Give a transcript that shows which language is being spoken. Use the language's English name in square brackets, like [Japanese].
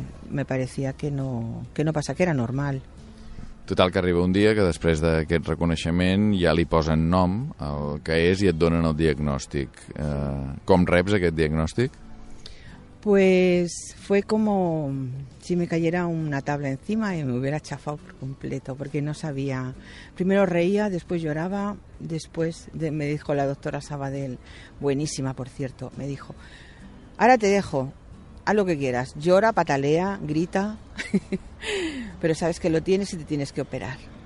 [Spanish] Me parecía que no pasa, que era normal. [Catalan] Total, que arriba un dia que després d'aquest reconeixement ja li posen nom al que és i et donen el diagnòstic. Com reps aquest diagnòstic? [Spanish] Pues fue como si me cayera una tabla encima y me hubiera chafado por completo, porque no sabía. Primero reía, después lloraba, después me dijo la doctora Sabadell, buenísima por cierto, me dijo, ahora te dejo, haz lo que quieras, llora, patalea, grita, pero sabes que lo tienes y te tienes que operar.